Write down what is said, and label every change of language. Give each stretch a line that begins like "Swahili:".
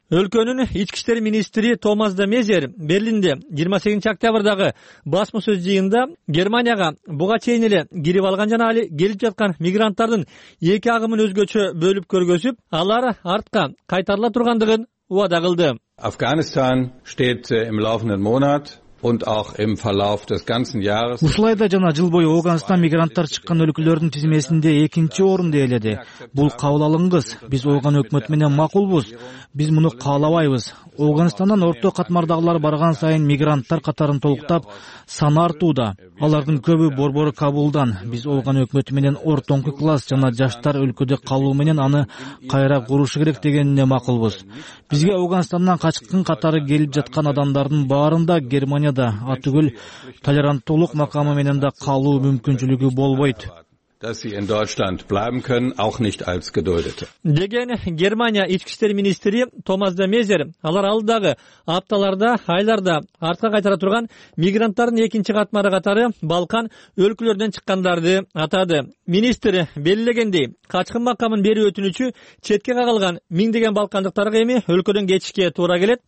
Kyrgyz: Өлкөнүн ички иштер министри Томас де Мезер Берлинде 28 октябрдагы басма сөз жыйында Германияга буга чейин эле кирип алган жана али келип жаткан мигранттардын эки агымын өзгөчө бөлүп көргөзүп, алар артка кайтарыла тургандыгын убада кылды.
German: Афганистан steht im laufenden Monat und auch im Verlauf des ganzen Jahres.
Kyrgyz: Ушлайда жана жыл бою Ооганстан мигранттар чыккан өлкөлөрдүн тизмесинде экинчи орунду ээледи. Бул кабыл алыңгыз. Биз Ооган өкмөт менен макулбуз. Биз муну каалабайбыз. Ооганстандан орто катмардагылар барган сайын мигранттар катарын толуктап, саны артууда. Алардын көбү борбору Кабулдан. Биз Ооган өкмөтү менен ортоңку класс жана жаштар өлкөдө калуу менен аны кайра курушу керек дегенине макулбуз. Бизге Ооганстандан качкын катары келип жаткан адамдардын баарында Германияда атүгүл толеранттуулук макамы менен да калуу мүмкүнчүлүгү болбойт.
German: Dass sie in Deutschland bleiben können, auch nicht als geduldete.
Kyrgyz: Деген Германия ички иштер министри Томас де Мезер алар алдагы апталарда, айларда артка кайтара турган мигранттардын экинчи катмары катары Балкан өлкөлөрүнөн чыккандарды атады. Министр белгилегендей, качкын макамын берүү өтүнүчү четке кагылган миңдеген балкандыктарга эми өлкөдөн кетишке туура келет.